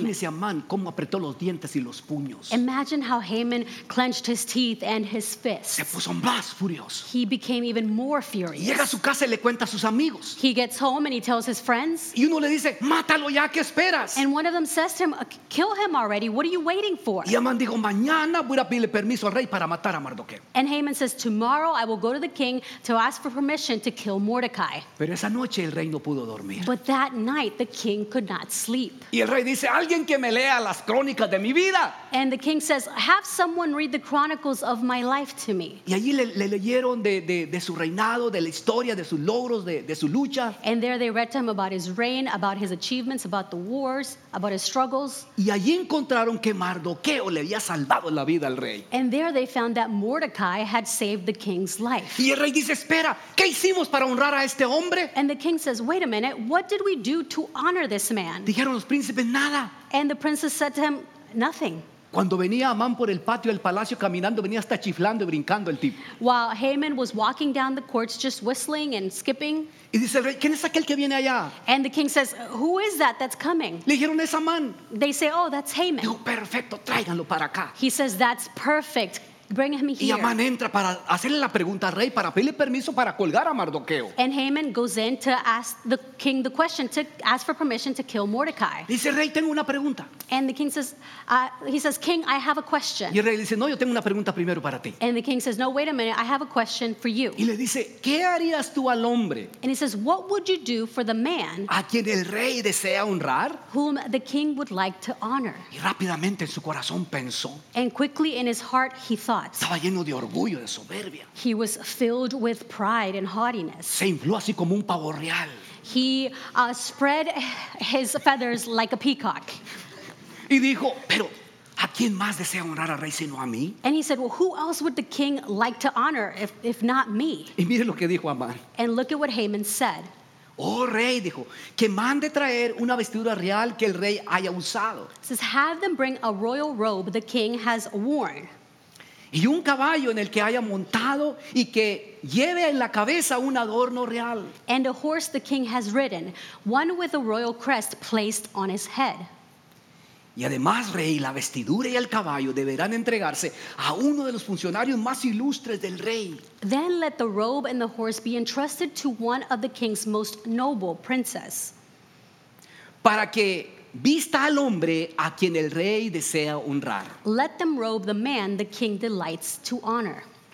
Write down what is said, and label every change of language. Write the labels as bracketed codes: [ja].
[es] Imagínese a Amán cómo apretó los dientes y los puños. [en] Imagine how Haman clenched his teeth and his fists. [es] Se puso más furioso. [en] He became even more furious. [es] Llega a su casa y le cuenta a sus amigos. [en] He gets home and he tells his friends. [es] Y uno le dice, mátalo ya, ¿qué esperas? [en] And one of them says to him, kill him already, what are you waiting for? [es] Y Amán dijo, mañana voy a pedirle permiso al rey para matar a Mardoqueo. [en] And Haman says, tomorrow I will go to the king to ask for permission to kill Mordecai. [es] Pero esa noche el rey no pudo dormir. [en] But that night the king could not sleep. [es] Y el rey dice, alguien que me lea las crónicas de mi vida. [en] And the king says, have someone read the chronicles of my life to me. [es] Y allí le leyeron de su reinado, de la historia, de sus logros, de su lucha. [en] And there they read to him about his reign, about his achievements, about the wars, about his struggles. [es] Y allí encontraron que Mardoqueo le había salvado la vida al rey. [en] And there they found that Mordecai had saved the king's life. [es] Y el rey dice, espera, ¿qué hicimos para honrar a este hombre? [en] And the king says, wait a minute, what did we do to honor this man? [es] Dijeron los príncipes, nada. [en] And the princes said to him, nothing. [es] Cuando venía Amán por el patio del palacio caminando, venía hasta chiflando y brincando el tipo. [en] While Haman was walking down the courts just whistling and skipping. [es] Y dice el rey, ¿quién es aquel que viene allá? [en] And the king says, who is that that's coming? [es] Le dijeron, es Amán. [en] They say, oh, that's Haman. [es] Dijo, perfecto, tráiganlo para acá. [en] He says, that's perfect. Bring him here. [es] Y Amán entra para hacerle la pregunta al rey para pedirle permiso para colgar a Mardoqueo. [en] And Haman goes in to ask the king the question to ask for permission to kill Mordecai. [es] Dice, rey, tengo una pregunta. [en] And the king says, he says, king, I have a question. [es] Y el rey dice, no, yo tengo una pregunta primero para ti. [en] And the king says, no, wait a minute, I have a question for you. [es] Y le dice, ¿qué harías tú al hombre? [en] And he says, what would you do for the man? [es] A quien el rey desea honrar. [en] Whom the king would like to honor. [es] Y rápidamente en su corazón pensó. [en] And quickly in his heart he thought. [es] Estaba lleno de orgullo, de soberbia. [en] He was filled with pride and haughtiness. [es] Se infló así como un pavo real. [en] He spread his feathers like a peacock. [es] Y dijo, pero ¿a quién más desea honrar al rey sino a mí? [en] And he said, well, who else would the king like to honor if not me? [es] Y mire lo que dijo Amán. [en] And look at what Haman said. [es] Oh rey, dijo, que mande traer una vestidura real que el rey haya usado. [en] He says, have them bring a royal robe the king has worn. [es] Y un caballo en el que haya montado y que lleve en la cabeza un adorno real. [en] And a horse the king has ridden, one with a royal crest placed on his head. [es] Y además, rey, la vestidura y el caballo deberán entregarse a uno de los funcionarios más ilustres del rey. [en] Then let the robe and the horse be entrusted to one of the king's most noble princes. [es] Para que vista al hombre a quien el rey desea honrar. [en] Let them robe the man the king delights to honor.